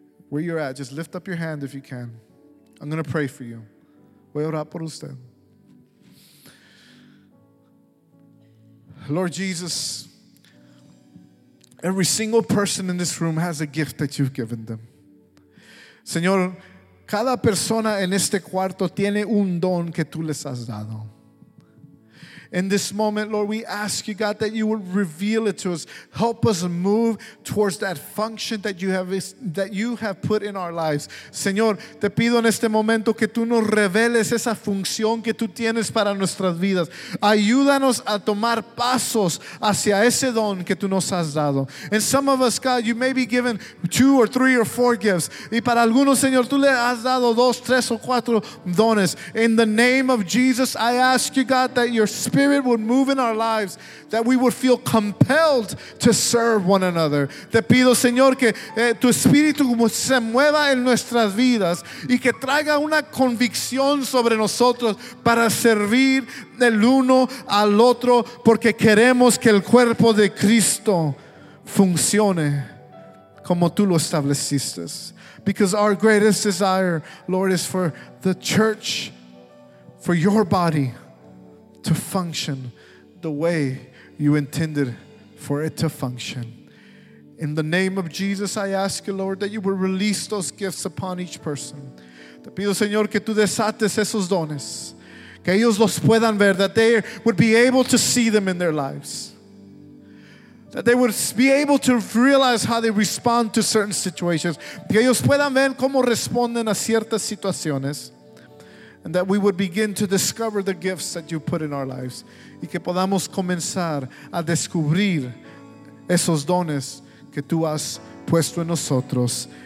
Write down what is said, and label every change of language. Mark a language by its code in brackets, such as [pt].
[en] Where you're at, just lift up your hand if you can. I'm going to pray for you. [es] Voy a orar por usted. [en] Lord Jesus, every single person in this room has a gift that you've given them. [es] Señor, cada persona en este cuarto tiene un don que tú les has dado. [en] In this moment, Lord, we ask you, God, that you would reveal it to us. Help us move towards that function that you have put in our lives. [es] Señor, te pido en este momento que tú nos reveles esa función que tú tienes para nuestras vidas. Ayúdanos a tomar pasos hacia ese don que tú nos has dado. [en] And some of us, God, you may be given 2 or 3 or 4 gifts. [es] Y para algunos, Señor, tú le has dado 2, 3 o 4 dones. [en] In the name of Jesus, I ask you, God, that your Spirit would move in our lives, that we would feel compelled to serve one another. [es] Te pido, Señor, que tu espíritu se mueva en nuestras vidas y que traiga una convicción sobre nosotros para servir el uno al otro, porque queremos que el cuerpo de Cristo funcione como tú lo estableciste. [en] Because our greatest desire, Lord, is for the church, for your body, to function the way you intended for it to function. In the name of Jesus, I ask you, Lord, that you would release those gifts upon each person. [es] Te pido, Señor, que tú desates esos dones, que ellos los puedan ver, [en] that they would be able to see them in their lives, that they would be able to realize how they respond to certain situations, [es] que ellos puedan ver cómo responden a ciertas situaciones. [en] And that we would begin to discover the gifts that you put in our lives. [es] Y que podamos comenzar a descubrir esos dones que tú has puesto en nosotros.